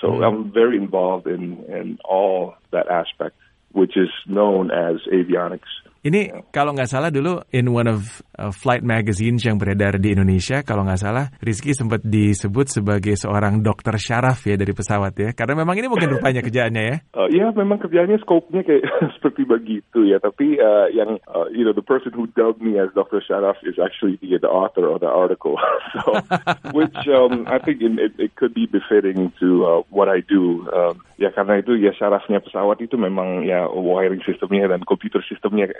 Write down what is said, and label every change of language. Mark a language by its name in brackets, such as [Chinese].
[English] So I'm very involved in all that aspect, which is known as avionics. [Indonesian] Ini kalau nggak salah dulu [English] in one of flight magazines [Indonesian] yang beredar di Indonesia, kalau nggak salah Rizki sempat disebut sebagai seorang dokter syaraf ya dari pesawat ya. Karena memang ini mungkin rupanya kerjaannya ya. Ya memang kerjaannya scope-nya kayak seperti begitu ya. Tapi [English] the person who dubbed me as Dr. Sharaf is actually the author of the article. So, which I think it could be befitting to what I do. [Indonesian] Ya karena itu ya syarafnya pesawat itu memang ya wiring system-nya dan computer system-nya.